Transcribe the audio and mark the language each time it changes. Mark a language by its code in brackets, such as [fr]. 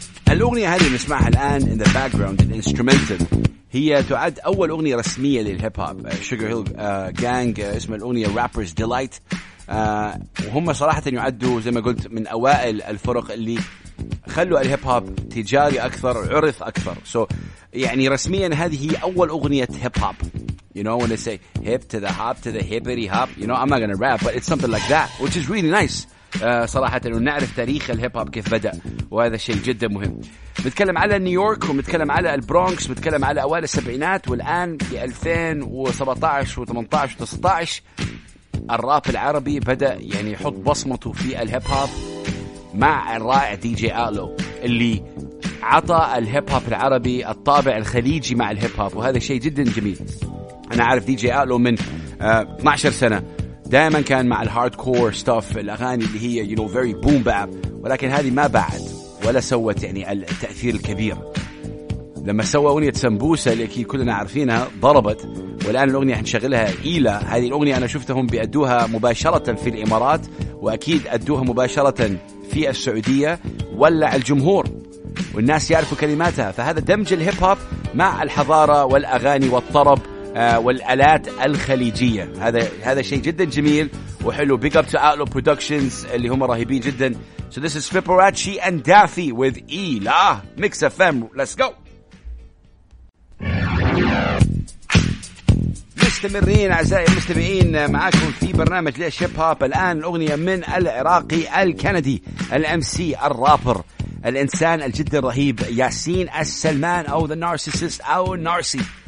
[ar] الأغنية هذه نسمعها الآن [en] in the background, in instrumental, [ar] هي تعد أول أغنية رسمية للهيب هوب Sugar Hill Gang. اسم الأغنية Rapper's Delight, وهم صراحة يعدوا زي ما قلت من أوائل الفرق اللي خلوا الهيب هوب تجاري أكثر, عرف أكثر. [en] So [ar] يعني رسميا هذه هي أول أغنية هيب هوب. [en] You know when they say hip to the hop to the hippity hop, you know I'm not gonna rap, but it's something like that, which is really nice. [ar] صراحة أنه نعرف تاريخ الهيب هوب كيف بدأ, وهذا شيء جدا مهم. بنتكلم على نيويورك, ومتكلم على البرونكس, بنتكلم على أوائل السبعينات, والآن في 2017 و18 و19 الراب العربي بدأ يعني يحط بصمته في الهيب هوب مع الرائع دي جي آلو اللي عطى الهيب هوب العربي الطابع الخليجي مع الهيب هوب, وهذا شيء جدا جميل. أنا عارف دي جي آلو من 12 سنة, دائما كان مع الهارد كور ستاف, الأغاني اللي هي [en] you know very boom bap, [ar] ولكن هذه ما بعد ولا سوت يعني التأثير الكبير. لما سوى أغنية سمبوسة اللي كلنا عارفينها ضربت, والآن الأغنية هنشغلها إيلا. هذه الأغنية أنا شفتهم بيأدوها مباشرة في الإمارات, وأكيد أدوها مباشرة في السعودية, ولع الجمهور والناس يعرفوا كلماتها. فهذا دمج الهيب هوب مع الحضارة والأغاني والطرب والآلات الخليجية, هذا شيء جدا جميل وحلو. [en] Big up to Outlaw Productions [ar] اللي هم رهيبين جدا. [en] So this is Fipperacci and Daffy with Ela Mix FM. Let's go. [ar] مستمرين أعزائي المستمعين معاكم في برنامج ليش هيب هوب. الآن الأغنية من العراقي الكندي الأمسي الرابر الإنسان الجد الرهيب ياسين السلمان, أو The Narcissist أو النارسي.